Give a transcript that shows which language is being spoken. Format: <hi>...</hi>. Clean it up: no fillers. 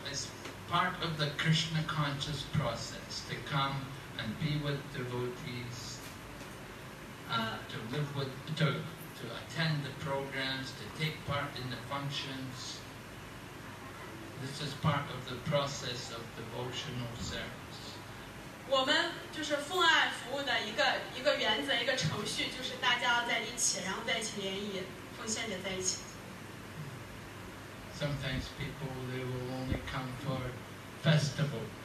<en>It's part of the Krishna conscious process to come and be with devotees, to live with, to attend the programs, to take part in the functions. This is part of the process of devotional service.</en> <zh>我们就是奉爱服务的一个原则，一个程序，就是大家要在一起，然后在一起联谊。</zh> <en>Sometimes people they will only come for festivals.</en>